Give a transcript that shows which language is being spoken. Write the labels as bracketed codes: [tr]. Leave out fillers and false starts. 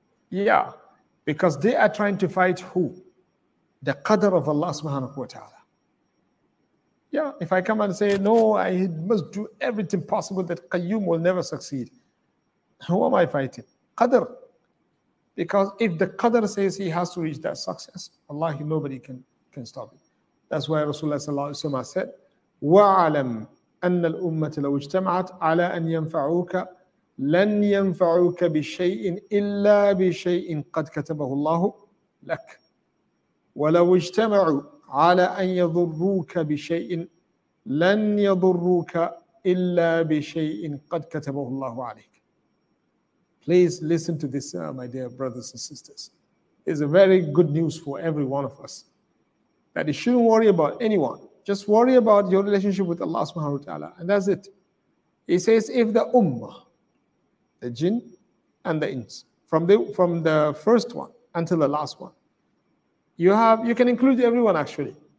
[en] Yeah, because they are trying to fight who? The qadr of Allah subhanahu wa ta'ala. Yeah, if I come and say, no, I must do everything possible that Qayyum will never succeed. Who am I fighting? Qadr. Because if the qadr says he has to reach that success, Allah, nobody can stop it. That's why Rasulullah sallallahu alayhi wa sallam said, [ar] وَعَلَمْ أَنَّ الْأُمَّةِ لَوْ اجْتَمَعَتْ عَلَىٰ أَنْ يَنْفَعُوكَ لَنْ يَنْفَعُوكَ بِشَيْءٍ إِلَّا بِشَيْءٍ قَدْ كَتَبَهُ اللَّهُ لَكَ وَلَوْ اجْتَمَعُوا عَلَىٰ أَنْ يَضُرُّوكَ بِشَيْءٍ لَنْ يَضُرُّوكَ إِلَّا بِشَيْءٍ قَدْ كَتَبَهُ اللَّهُ عَلَيْكَ. [en] Please listen to this, my dear brothers and sisters. It's a very good news for every one of us that you shouldn't worry about anyone. Just worry about your relationship with Allah subhanahu wa ta'ala. And that's it. He says, if the ummah, the jinn and the ins, from the first one until the last one, you can include everyone actually.